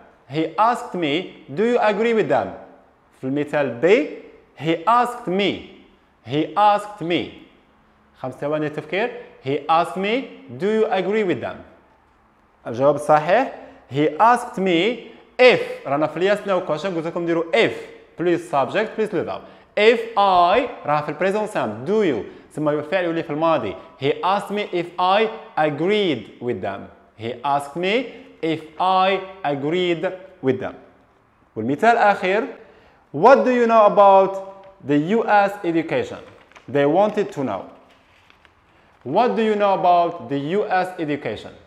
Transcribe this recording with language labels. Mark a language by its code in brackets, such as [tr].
[en] He asked me do you agree with them. [ar] في المثال B. [en] He asked me. [ar] خمس ثواني تفكير. [en] He asked me do you agree with them. [ar] الجواب صحيح. [en] He asked me if [ar] رانا في [en] الياس نو كوشن. [ar] قلت لكم ديروا if بلس سبجكت بلس لوفر. [en] If I [ar] راه في البريزون سام. [en] Do you [ar] ثم الفعل يولي في الماضي. [en] He asked me if I agreed with them. [ar] والمثال الاخير. [en] What do you know about the US education? They wanted to know. What do you know about the US education?